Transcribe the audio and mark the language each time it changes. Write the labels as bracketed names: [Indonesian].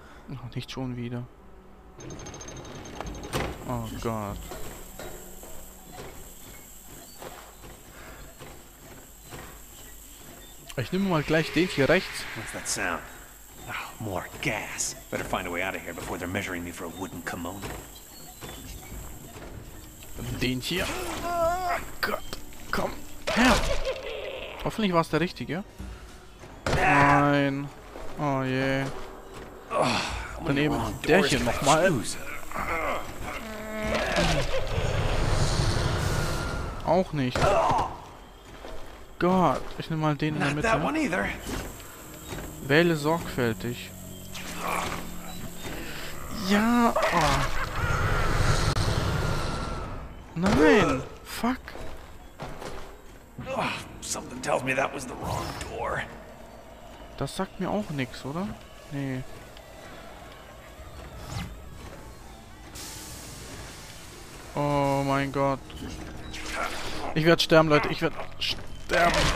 [German] Oh, nicht schon wieder. Oh Gott. Ich nehme mal gleich den hier rechts. Was ist das Sound? Oh, [English] more gas. Better find a way out of here before they're measuring me for a wooden kimono. [German] Den hier. Oh, Gott. Komm, her! Hoffentlich war es der richtige. Nein. Oh je. Yeah. Dann eben der hier nochmal. Auch nicht. Gott, ich nehme mal den in der Mitte. Wähle sorgfältig. Ja. Oh. Nein. Fuck. [English] Something tells me that was the wrong door. [German] Das sagt mir auch nichts, oder? Nee. Oh mein Gott. Ich werde sterben, Leute. Ich werde sterben.